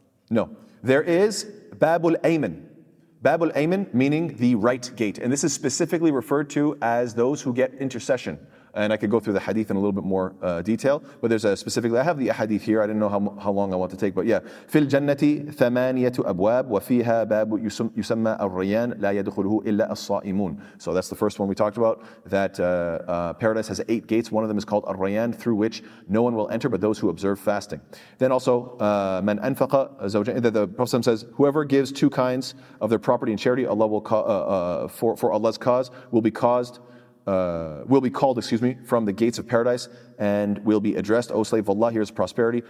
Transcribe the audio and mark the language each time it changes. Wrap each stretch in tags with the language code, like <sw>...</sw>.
<en>No. There is Bab al-ayman. Bab al-Ayman, meaning the right gate. And this is specifically referred to as those who get intercession. And I could go through the hadith in a little bit more detail. But there's a specifically, I have the hadith here. I didn't know how long I want to take, but yeah.</en> <ar>في الجنة ثمانية أبواب وفيها باب يسمى الريان لا يدخله إلا الصائمون.</ar> <en>So that's the first one we talked about, that paradise has 8 gates. One of them is called الريان, through which no one will enter but those who observe fasting. Then also,</en> <ar>من أنفق زوجين,</ar> <en>the Prophet says, whoever gives two kinds of their property and charity, Allah will for Allah's cause, will be called from the gates of paradise and will be addressed, O slave of Allah, here is prosperity.</en>